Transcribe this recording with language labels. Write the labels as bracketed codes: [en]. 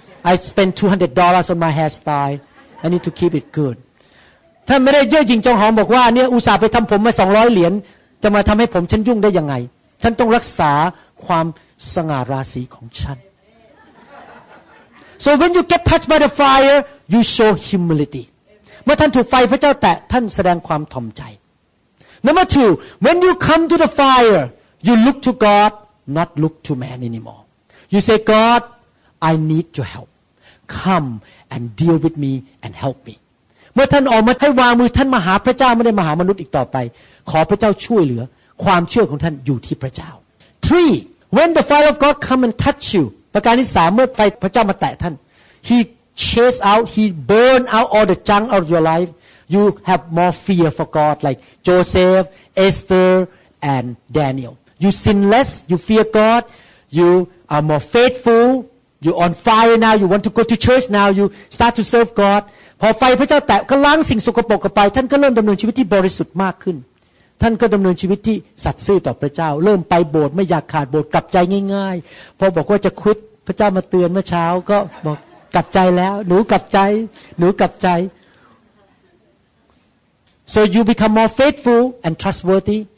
[en] I spend $200 on my hairstyle I need to keep it good [th] ท่านไม่ได้เย่อหยิ่งจองหองบอกว่าเนี่ยอุตส่าห์ไปทำผมมา200เหรียญจะมาทำให้ผมฉันยุ่งได้ยังไงฉันต้องรักษาความสง่าราศีของฉัน [en] So when you get touched by the fire you show humility [th] เมื่อท่านถูกไฟพระเจ้าแตะท่านแสดงความถ่อมใจ [en] Number two when you come to the fire you look to God not look to man anymore. You say, God, I need your help. Come and deal with me and help me. [th] เมื่อท่านออกมาให้วางมือท่านมาหาพระเจ้าไม่ได้มาหามนุษย์อีกต่อไปขอพระเจ้าช่วยเหลือความเชื่อของท่านอยู่ที่พระเจ้า 3. [en] When the fire of God come and touch you. [th] ประการที่3เมื่อไฟพระเจ้ามาแตะท่าน [en] He chase out, he burn out all the junk out of your life. You have more fear for God like Joseph, Esther and Daniel. You sin less, you fear God, you are more faithful. You're on fire now. You want to go to church now. You start to serve God. [th] พอไฟพระเจ้าแตะก็ล้างสิ่งสกปรกออกไปท่านก็เริ่มดำเนินชีวิตที่บริสุทธิ์มากขึ้นท่านก็ดำเนินชีวิตที่สัตย์ซื่อต่อพระเจ้าเริ่มไปโบสถ์ไม่อยากขาดโบสถ์กลับใจง่ายๆพอบอกว่าจะควิดพระเจ้ามาเตือนเมื่อเช้าก็บอกกลับใจแล้วหนูกลับใจหนูกลับใจ [en] So you become more faithful and trustworthy.